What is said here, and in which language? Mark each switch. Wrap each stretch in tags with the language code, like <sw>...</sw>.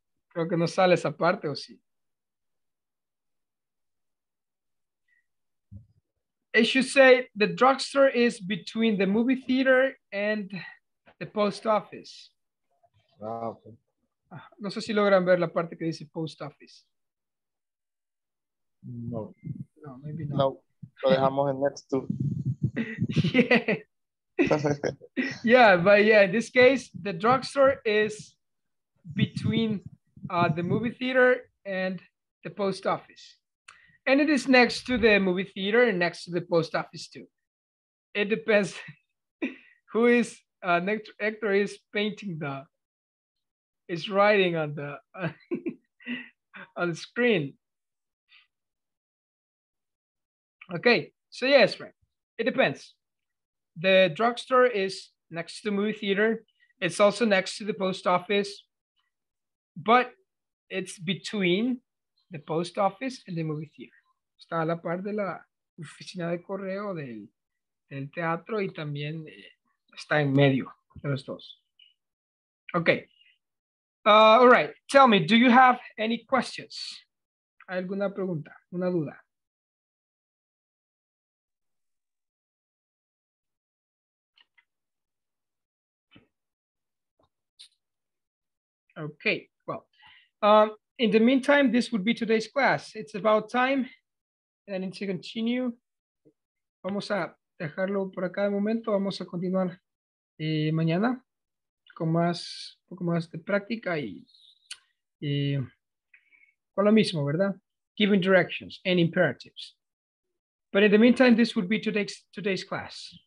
<es>Creo que no sale esa parte, ¿o sí?</es> <en>It should say the drugstore is between the movie theater and the post office. Okay.</en> <es>No sé si logran ver la parte que dice post office. No.</es> <en>No, maybe not.</en> <es>No, lo dejamos en next to.</es> <en>Yeah. Yeah, but yeah, in this case, the drugstore is between the movie theater and the post office. And it is next to the movie theater and next to the post office too. It depends who is, Hector is painting the, is writing on the, on the screen. Okay, so yes, right. It depends. The drugstore is next to the movie theater. It's also next to the post office, but it's between the post office and the movie theater.</en> <es>Está a la par de la oficina de correo del teatro y también está en medio de los dos.</es> <en>Okay. All right. Tell me, do you have any questions?</en> <es>¿Hay alguna pregunta? ¿Una duda?</es> <en>Okay. Well, in the meantime, this would be today's class. It's about time. I need to continue.</en> <es>Vamos a dejarlo por acá de momento. Vamos a continuar mañana con más, un poco más de práctica y con lo mismo, ¿verdad?</es> <en>Giving directions and imperatives. But in the meantime, this would be today's class.</en>